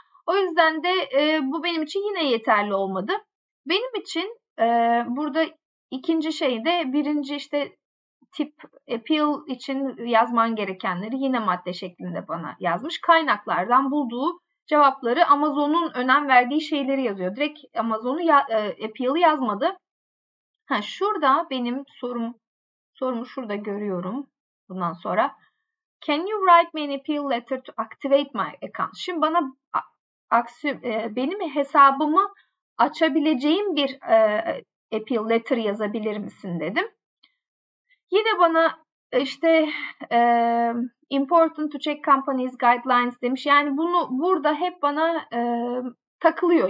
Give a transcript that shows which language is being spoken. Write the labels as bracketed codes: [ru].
[tr] O yüzden de bu benim için yine yeterli olmadı. Benim için burada ikinci şey de birinci işte tip appeal için yazman gerekenleri yine madde şeklinde bana yazmış. Kaynaklardan bulduğu cevapları Amazon'un önem verdiği şeyleri yazıyor. Direkt Amazon'u appeal'ı yazmadı. Ha, şurada benim sorumu şurada görüyorum bundan sonra. [en] Can you write me an appeal letter to activate my account? [tr] Şimdi bana benim hesabımı açabileceğim bir appeal letter yazabilir misin dedim. Yine bana işte [en] important to check companies guidelines [tr] demiş. Yani bunu burada hep bana takılıyor.